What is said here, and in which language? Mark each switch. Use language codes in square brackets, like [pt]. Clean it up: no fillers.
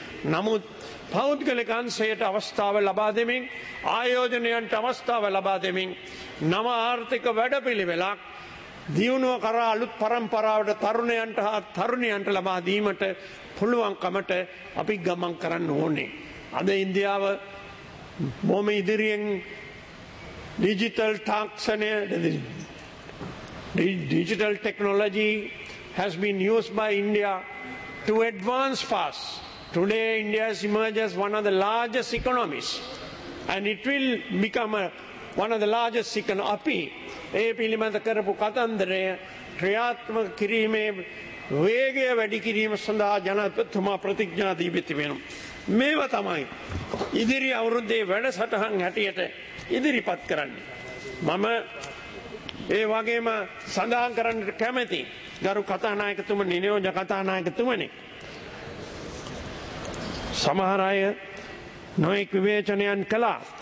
[si] නමුත් පෞද්ගලිකංශයට අවස්ථාව ලබා දෙමින්, ආයෝජනයන්ට අවස්ථාව ලබා දෙමින් නව ආර්ථික වැඩපිළිවෙලක් දියුණුව කරා අලුත් පරම්පරාවට තරුණයන්ට හා තරුණියන්ට ලබා දීමට පුළුවන්කමට අපි ගමන් කරන්න ඕනේ. අද ඉන්දියාව බොහොම ඉදිරියෙන් ඩිජිටල් තාක්ෂණය, [en] Digital technology has been used by India to advance fast. Today, India has emerged as one of the largest economies, and it will become one of the largest economies. [si] ඒ පිළිබඳ කරපු කතන්දරය ක්‍රියාත්මක කිරීමේ වේගය වැඩි කිරීම සඳහා ජනාධිපතිතුමා ප්‍රතිඥා දීපිති වෙනවා. මේවා තමයි ඉදිරි අවුරුද්දේ වැඩසටහන් හැටියට ඉදිරිපත් කරන්නේ. මම ඒ වගේම සඳහන් කරන්නට කැමැති ගරු කතානායකතුමනි, නියෝජ කතානායකතුමනි, සමහර අය නොයෙක් විවේචනයන් කළා.